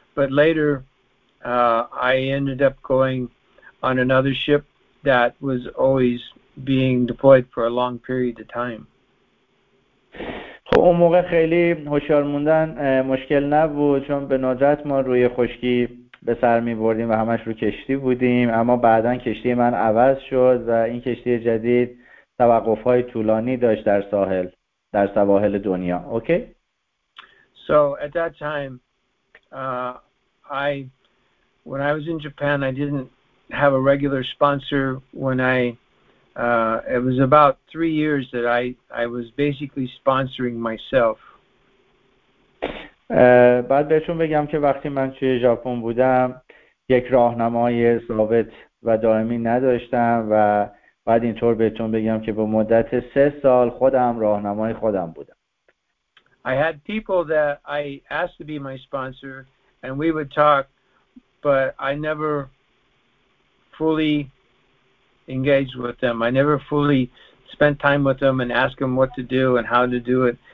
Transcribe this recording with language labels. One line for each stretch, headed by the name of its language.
English: But later I ended up going on another ship that was always being deployed for a long period of time.
Persian: خب اون موقع خیلی هوشیار موندن مشکل نبود، چون به ندرت ما روی خشکی به سر می بردیم و همش رو کشتی بودیم، اما بعدا کشتی من عوض شد و این کشتی جدید توقف‌های طولانی داشت در ساحل، در سواحل دنیا. اوکی؟
English: So at that time when I was in Japan, I didn't have a regular sponsor. It was about 3 years that I was basically sponsoring myself.
Persian: بعد بهشون بگم که وقتی من توی ژاپن بودم یک راهنمای ثابت و دائمی نداشتم و بعد اینطور بهتون بگم که به مدت 3 سال خودم راهنمای خودم بودم.
English: I had people that I asked to be my sponsor and we would talk, but I never fully engaged with them. I never fully spent time with them and asked them what to do and how to do it.